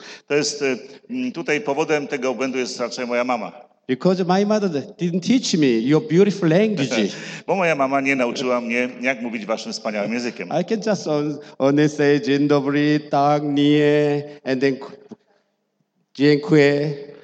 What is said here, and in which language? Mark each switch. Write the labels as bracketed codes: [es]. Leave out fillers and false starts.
[pl] To jest tutaj powodem tego błędu jest raczej moja mama. [en] Because my mother didn't teach me your beautiful language. [pl] Bo moja mama nie nauczyła mnie, jak mówić waszym wspaniałym językiem. [en] I can just only say [pl] dzień dobry, tak, nie, [en] and then [pl] dziękuję.